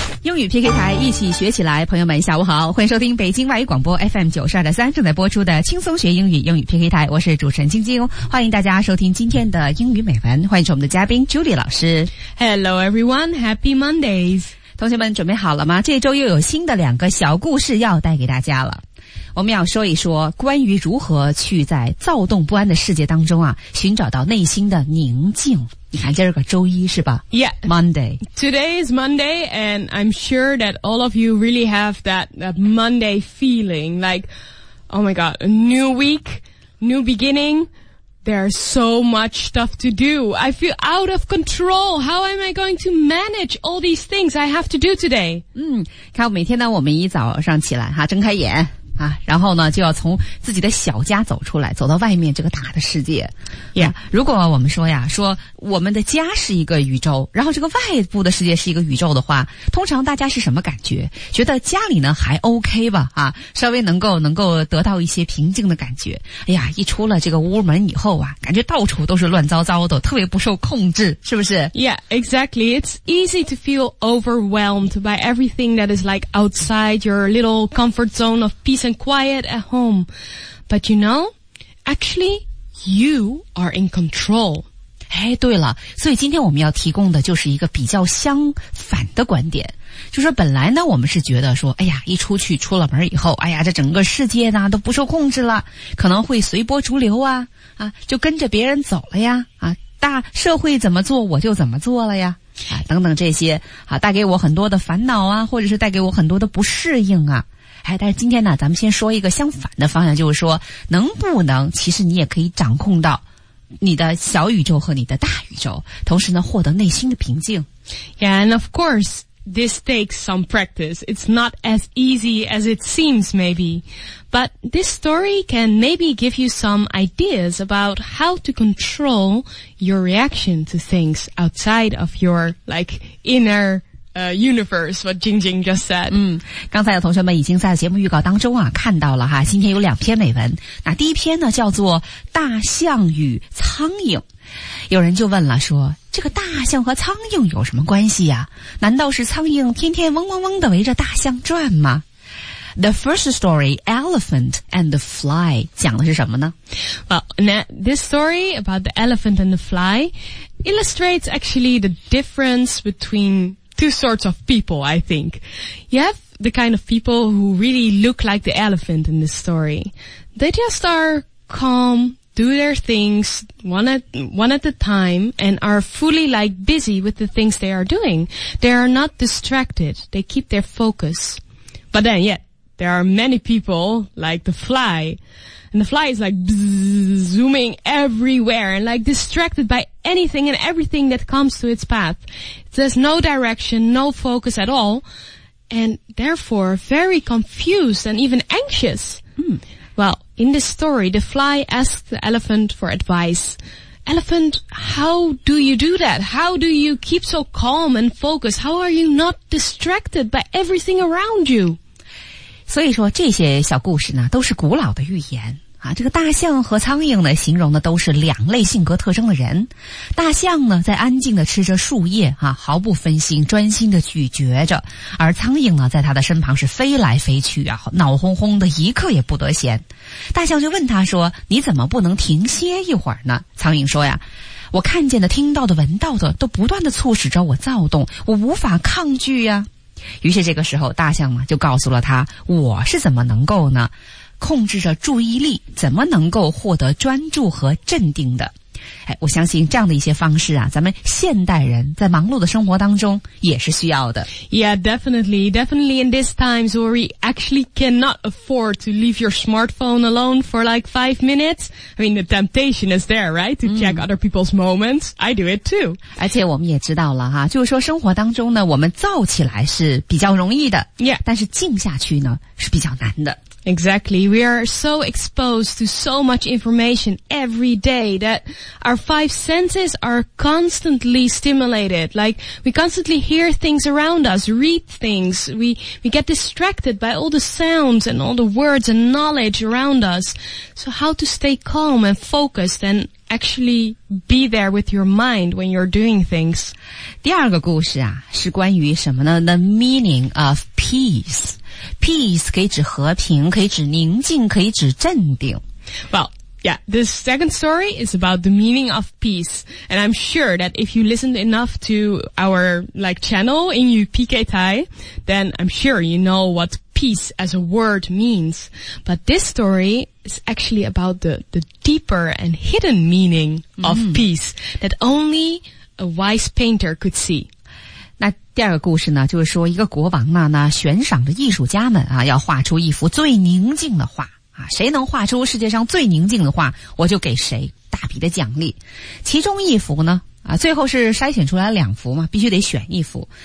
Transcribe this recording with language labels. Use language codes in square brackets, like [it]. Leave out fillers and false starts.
[zh] 英语 PK 台一起学起来，朋友们下午好，欢迎收听北京外语广播 FM92.3 正在播出的轻松学英语英语 PK 台，我是主持人晶晶，欢迎大家收听今天的英语美文，欢迎我们的嘉宾 Julie 老师。 [en] Hello everyone, happy Mondays。 [zh] 同学们准备好了吗？这周又有新的两个小故事要带给大家了，我们要说一说关于如何去在躁动不安的世界当中啊，寻找到内心的宁静。你看今儿个周一是吧？ [en] Yeah. Monday. Today is Monday, and I'm sure that all of you really have that Monday feeling. Like, oh my god, a new week, new beginning. There's so much stuff to do. I feel out of control. How am I going to manage all these things I have to do today? [zh] 看每天呢，我们一早上起来，睁开眼。啊，然后呢，就要从自己的小家走出来，走到外面这个大的世界。 [en] Yeah. [zh] 如果我们说呀，说我们的家是一个宇宙，然后这个外部的世界是一个宇宙的话，通常大家是什么感觉？觉得家里呢还 OK 吧？啊，稍微能够得到一些平静的感觉。哎呀，一出了这个屋门以后啊，感觉到处都是乱糟糟的，特别不受控制，是不是 [en] ？Yeah, exactly. It's easy to feel overwhelmed by everything that is like outside your little comfort zone of peace. And quiet at home. But you know, actually, you are in control. [zh] 哎，对了，所以今天我们要提供的就是一个比较相反的观点。就说本来呢，我们是觉得说，哎呀，一出去出了门以后，哎呀，这整个世界呢都不受控制了，可能会随波逐流啊，啊，就跟着别人走了呀，啊，大社会怎么做我就怎么做了呀。啊，等等这些，啊，带给我很多的烦恼啊，或者是带给我很多的不适应啊。哎，但是今天呢，咱们先说一个相反的方向，就是说，能不能其实你也可以掌控到你的小宇宙和你的大宇宙，同时呢，获得内心的平静。 [en] Yeah, and of course, this takes some practice. It's not as easy as it seems, maybe. But this story can maybe give you some ideas about how to control your reaction to things outside of your, like, inner. Universe, what Jingjing just said. [zh] 刚才的同学们已经在节目预告当中啊看到了哈，今天有两篇美文。那第一篇呢叫做《大象与苍蝇》。有人就问了说，这个大象和苍蝇有什么关系啊？难道是苍蝇天天嗡嗡嗡地围着大象转吗？ [en] The first story, Elephant and the Fly, [zh] 讲的是什么呢？ [en] Well, this story about the elephant and the fly illustrates actually the difference between... Two sorts of people, I think. You have the kind of people who really look like the elephant in this story. They just are calm, do their things one at a time, and are fully like busy with the things they are doing. They are not distracted. They keep their focus. But then, yeah, there are many people like the fly. And the fly is like zooming everywhere and like distracted by anything and everything that comes to its path. There's no direction, no focus at all, and therefore very confused and even anxious. Well, in this story, the fly asks the elephant for advice. Elephant, how do you do that? How do you keep so calm and focused? How are you not distracted by everything around you? [zh] 所以说这些小故事呢都是古老的寓言啊。这个大象和苍蝇呢形容的都是两类性格特征的人。大象呢在安静地吃着树叶啊，毫不分心，专心地咀嚼着，而苍蝇呢在他的身旁是飞来飞去啊，脑轰轰的，一刻也不得闲。大象就问他说，你怎么不能停歇一会儿呢？苍蝇说呀，我看见的，听到的，闻到的都不断地促使着我躁动，我无法抗拒呀。于是这个时候大象呢就告诉了他，我是怎么能够呢控制着注意力，怎么能够获得专注和镇定的。哎，我相信这样的一些方式啊，咱们现代人在忙碌的生活当中也是需要的。 [en] Yeah, definitely. Definitely in these times where we actually cannot afford to leave your smartphone alone for like 5 minutes. I mean, the temptation is there, right? To check other people's moments. I do it too. [zh] 而且我们也知道了哈，就是说生活当中呢，我们躁起来是比较容易的。 [en] Yeah. [zh] 但是静下去呢，是比较难的。 [en] Exactly. We are so exposed to so much information every day that our 5 senses are constantly stimulated. Like, we constantly hear things around us, read things. We get distracted by all the sounds and all the words and knowledge around us. So how to stay calm and focused and actually be there with your mind when you're doing things. [zh] 第二个故事啊，是关于什么呢？ [en] The meaning of peace. Peace [zh] 可以指和平，可以指宁静，可以指镇定。 [en] Well, yeah, this second story is about the meaning of peace. And I'm sure that if you listened enough to our, like, channel in UPK Thai, then I'm sure you know what peace as a word means. But this story is actually about the deeper and hidden meaning of peace that only a wise painter could see. [zh] 那第二个故事呢，就是说一个国王呢，那悬赏着艺术家们啊，要画出一幅最宁静的画。啊，谁能画出世界上最宁静的画，我就给谁大笔的奖励。其中一幅呢，啊，最后是筛选出来两幅嘛，必须得选一幅。